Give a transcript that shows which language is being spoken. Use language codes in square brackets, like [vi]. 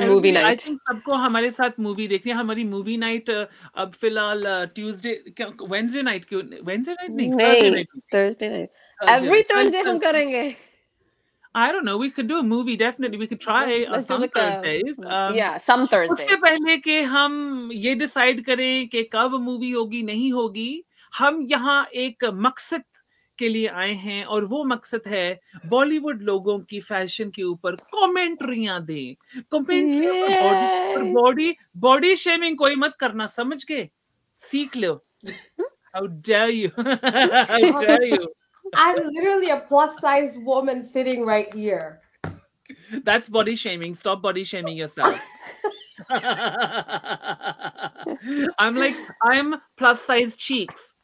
[en] movie night. I think our movie night filal Tuesday, Wednesday night. Wednesday night? Thursday night. Every Thursday [hi] hum karenge. [en] I don't know. We could do a movie. Definitely. We could try some Thursdays. Some Thursdays. [hi] उससे पहले कि हम ये decide करें कि कब movie होगी नहीं होगी, हम यहाँ एक मकसद के लिए आए हैं, और वो मकसद है बॉलीवुड लोगों की फैशन के ऊपर कमेंट्रियां दें. बॉडी शेमिंग कोई मत करना, समझ के सीख लो. [en] How dare you? I'm literally a plus-sized woman sitting right here. That's body shaming. Stop body shaming yourself. I'm like, I'm plus size cheeks.